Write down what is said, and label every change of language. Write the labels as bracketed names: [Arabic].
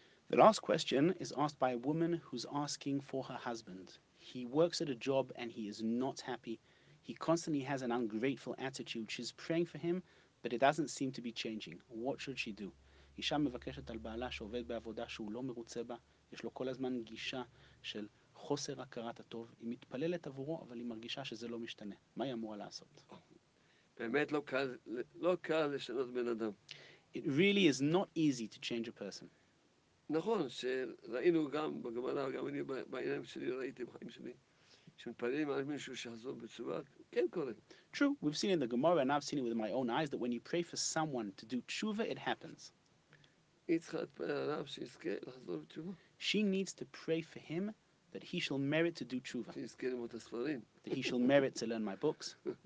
[English] The last question is asked by a woman who's asking for her husband. He works at a job and he is not happy. He constantly has an ungrateful attitude. She's praying for him, but it doesn't seem to be changing. What should she do? [Hebrew] Isha mevakeshet al ba'ala she'oved be'avoda she'u lo merutze ba. Yesh lo kol hazman gisha shel חוסר הכרת הטוב, היא מתפללת עבורו, אבל היא מרגישה שזה לא משתנה. מה היא אמורה לעשות? באמת לא קל לשנות בן אדם. [English] It really is not easy to change a person. [Hebrew] נכון, שראינו גם בגמלה, גם אני בעיניים שלי, ראיתי בחיים שלי, שמתפללים על מישהו שחזור בתשובה, כן קורה. [English] True, we've seen in the Gemara, and I've seen it with my own eyes, that when you pray for someone to do תשובה, it happens. [Hebrew] היא צריכה להתפלל עליו שיזכה לחזור בתשובה. [English] She needs to pray for him, that he shall merit to do tshuva. That he shall merit to learn my books.